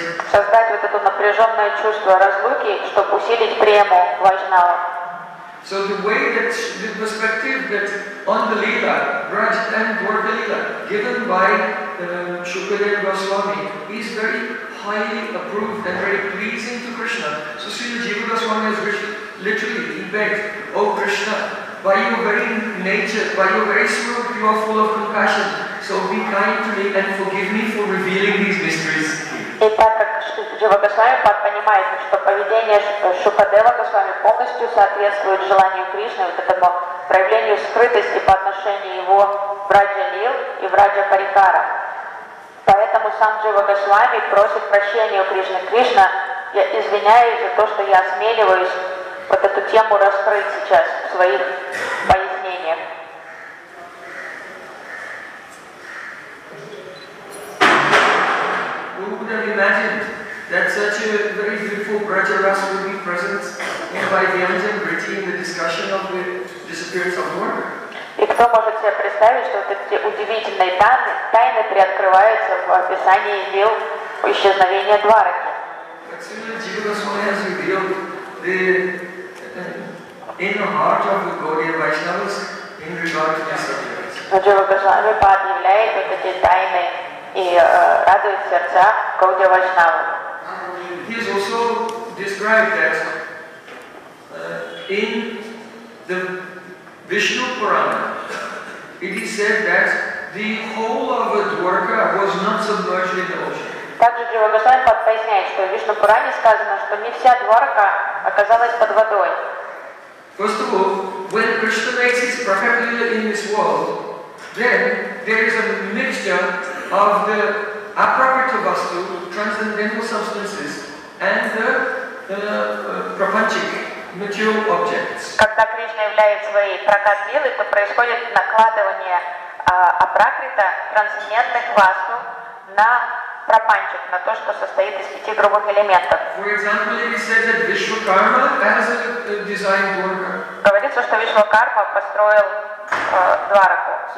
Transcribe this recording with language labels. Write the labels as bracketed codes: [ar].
[ru] Создать вот это напряженное чувство разлуки, чтобы усилить прему вайшнава. [en] So the way that the perspective that on the lila, Braj and Dwarka lila, given by Shukadeva Goswami is very highly approved and very pleasing to Krishna. So Srila Jiva Goswami has literally begged, O Krishna, by your very nature, by your very spirit, you are full of compassion. So be kind to me and forgive me for revealing these mysteries. [ru] И так как Джива Госвами понимает, что поведение Шукадева Госвами полностью соответствует желанию Кришны, вот этому проявлению скрытости по отношению его Враджа Лил и Враджа Парикара. Поэтому сам Джива Госвами просит прощения у Кришны. Кришна, я извиняюсь за то, что я осмеливаюсь вот эту тему раскрыть сейчас в своих пояснениях. [en] Who would have imagined that such a very beautiful Brajaras would be present in Vaidyanta and Vritti in the discussion of the disappearance of Dwarka? [ru] И кто может себе представить, что вот эти удивительные тайны приоткрываются в описании дел исчезновения Двараки? [en] But Srila Jiva Goswami has revealed the inner heart of the Gaudiya Vaishnavas in regard to disappearance. [ru] Джива Госвами объявляет вот эти тайны и радует сердца Гауди Вайшнавы. [en] He has also described that in the Vishnu Purana it is said that the whole of a Dwarka was not submerged in the ocean. [ru] Также Джива Госвами поясняет, что в Вишну Пуране сказано, что не вся Дварка оказалась под водой. [en] First of all, when Krishna makes his prakatila in this world, then there is a mixture of the aprakrita vastu, transcendental substances, and the prapanchika. [ru] Когда Кришна являет свой прокат лилы, то происходит накладывание апракрита, трансцендентных васту, на прапанчик, на то, что состоит из пяти грубых элементов. Говорится, что Вишвакарма построил двараку.